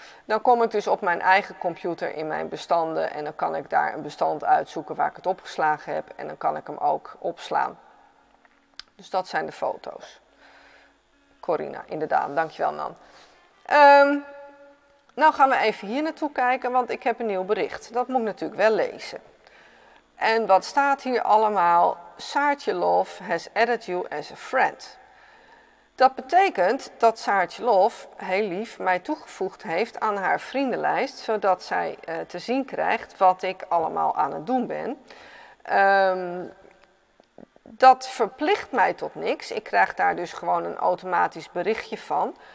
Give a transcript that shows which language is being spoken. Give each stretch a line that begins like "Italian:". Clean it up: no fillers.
Dutch: Dan kom ik dus op mijn eigen computer in mijn bestanden en dan kan ik daar een bestand uitzoeken waar ik het opgeslagen heb en dan kan ik hem ook opslaan. Dus dat zijn de foto's. Corina, inderdaad. Dankjewel, Nan. Nou gaan we even hier naartoe kijken, want ik heb een nieuw bericht. Dat moet ik natuurlijk wel lezen. En wat staat hier allemaal?
English: Saartje Love has added you as a friend.
Dutch: Dat betekent dat Saartje Lof, heel lief, mij toegevoegd heeft aan haar vriendenlijst, zodat zij te zien krijgt wat ik allemaal aan het doen ben. Dat verplicht mij tot niks. Ik krijg daar dus gewoon een automatisch berichtje van.